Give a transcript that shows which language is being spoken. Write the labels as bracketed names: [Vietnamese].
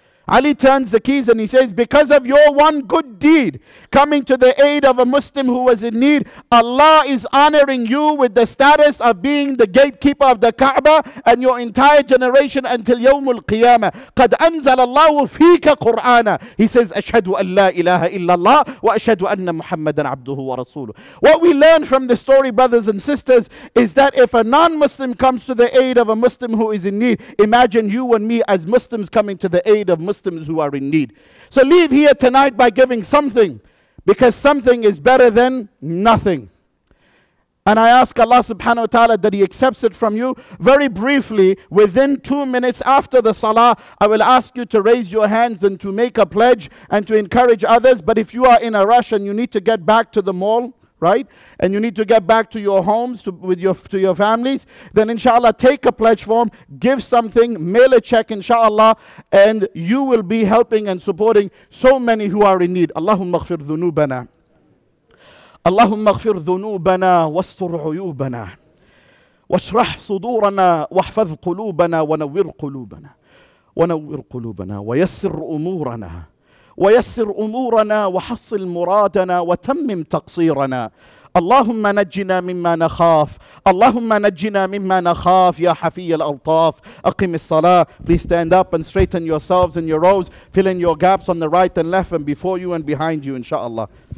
[English] Ali turns the keys and he says, because of your one good deed, coming to the aid of a Muslim who was in need, Allah is honoring you with the status of being the gatekeeper of the Kaaba and your entire generation until Yawmul Qiyamah. [Arabic] قَدْ أَنزَلَ اللَّهُ فِيكَ قُرْآنًا. [English] He says, [Arabic] أَشْهَدُ أَنْ لَا إِلَهَ إِلَّا اللَّهُ وَأَشْهَدُ أَنَّ مُحَمَّدًا عَبْدُهُ وَرَسُولُهُ. What we learn from the story, brothers and sisters, is that if a non-Muslim comes to the aid of a Muslim who is in need, imagine you and me as Muslims coming to the aid of Muslims who are in need. So leave here tonight by giving something, because something is better than nothing. And I ask Allah subhanahu wa ta'ala that He accepts it from you. Very briefly, within 2 minutes after the salah, I will ask you to raise your hands and to make a pledge and to encourage others. But if you are in a rush and you need to get back to the mall, right? And you need to get back to your homes, to your families, then inshallah, take a pledge form, give something, mail a check inshallah, and you will be helping and supporting so many who are in need. Allahumma ighfir dhunubana. Allahumma ighfir dhunubana wastur uyubana washrah sudurana wahfadh qulubana wanawwir qulubana wanawwir qulubana wayassir umurana ويسر أمورنا وحصل مرادنا وتمم تقصيرنا اللهم نجنا مما نخاف اللهم نجنا مما نخاف يا حفي الألطاف أقم الصلاة. [English] Please stand up and straighten yourselves in your rows, fill in your gaps on the right and left and before you and behind you, inshallah.